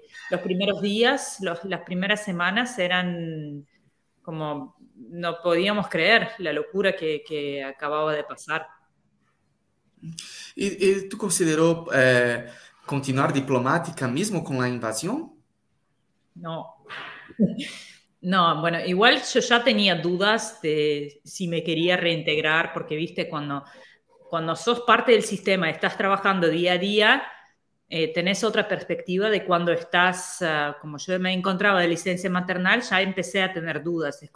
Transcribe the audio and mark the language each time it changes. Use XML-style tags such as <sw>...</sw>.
<es>Los primeros días, las primeras semanas eran como no podíamos creer la locura que acababa de pasar.</es> <pt>E tu considerou continuar diplomática mesmo com a invasão?</pt> <es>No. No, bueno, igual yo ya tenía dudas de si me quería reintegrar, porque viste, cuando sos parte del sistema, estás trabajando día a día, tenés otra perspectiva de cuando estás, como yo me encontraba de licencia maternal, ya empecé a tener dudas.</es>